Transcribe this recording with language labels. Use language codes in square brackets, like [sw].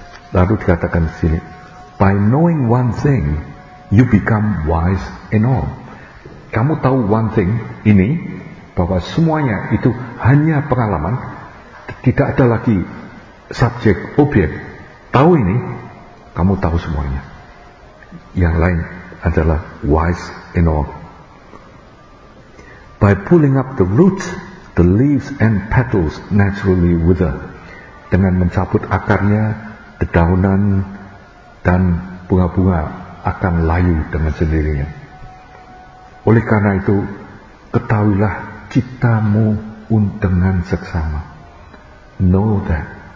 [id] Lalu dikatakan di sini, [en] by knowing one thing, you become wise in all. [id] Kamu tahu [en] one thing [id] ini, bahwa semuanya itu hanya pengalaman, tidak ada lagi subjek, objek. Tahu ini, kamu tahu semuanya. Yang lain adalah [en] wise in all. By pulling up the roots, the leaves and petals naturally wither. [id] Dengan mencabut akarnya, dedaunan dan bunga-bunga akan layu dengan sendirinya. Oleh karena itu, ketahuilah cittamu dengan seksama. [en] Know that.